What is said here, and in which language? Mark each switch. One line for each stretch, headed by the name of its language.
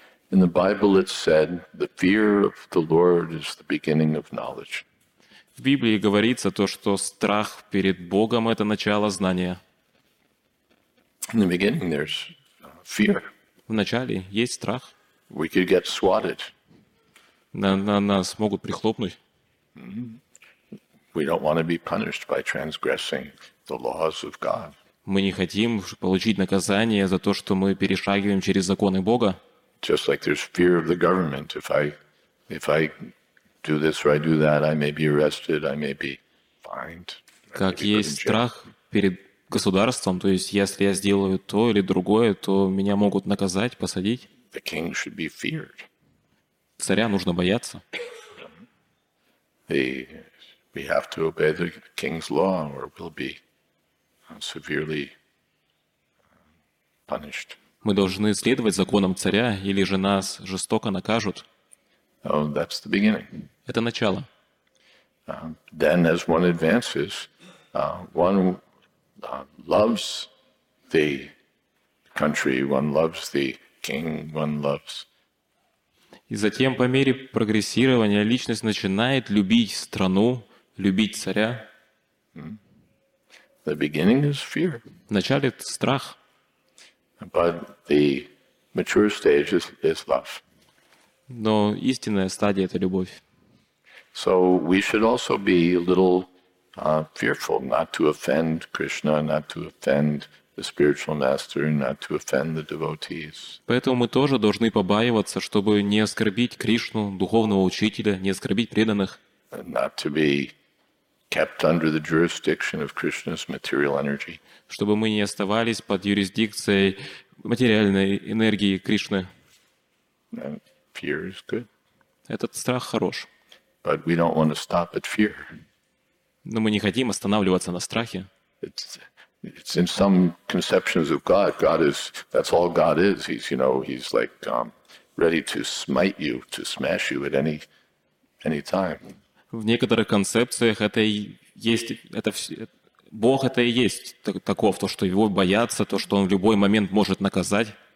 English: In the Bible it said, the fear of the Lord is the beginning of knowledge.
Russian: В Библии говорится то, что страх перед Богом – это начало знания.
English: In the beginning there's fear.
Russian: В начале есть страх.
English: We could get swatted.
Russian: Нас могут прихлопнуть.
English: We don't want to be punished by transgressing the laws of God.
Russian: Мы не хотим получить наказание за то, что мы перешагиваем через законы Бога.
English: Just like there's fear of the government. If I do this or I do that, I may be arrested, I may be fined.
Russian: Как есть страх перед государством, то есть если я сделаю то или другое, то меня могут наказать, посадить.
English: The king should be feared.
Russian: Царя нужно бояться.
English: We have to obey the king's law or we'll be severely punished.
Russian: Мы должны следовать законам царя, или же нас жестоко накажут.
English: Oh, that's the beginning.
Russian: Это начало.
English: Then as one advances, one loves the country, one loves the king, one loves.
Russian: И затем по мере прогрессирования личность начинает любить страну, любить царя.
English: The beginning is fear.
Russian: В начале страх.
English: But the mature stage is love.
Russian: Но истинная стадия это любовь.
English: So we should also be a little fearful not to offend Krishna, not to offend the spiritual master, not to offend the devotees.
Russian: Поэтому мы тоже должны побаиваться, чтобы не оскорбить Кришну, духовного учителя, не оскорбить преданных.
English: Not to be kept under the jurisdiction of Krishna's material energy.
Russian: Чтобы мы не оставались под юрисдикцией материальной энергии Кришны.
English: Fear is good.
Russian: Этот страх хорош.
English: But we don't want to stop at fear.
Russian: Но мы не хотим останавливаться на страхе.
English: It's in some conceptions of God. God is, that's all God is. He's, you know, he's like ready to smite you, to smash you at any time.
Russian: В некоторых концепциях это и есть, это все, Бог это и есть таков, то, что его боятся, то, что он в любой момент может наказать.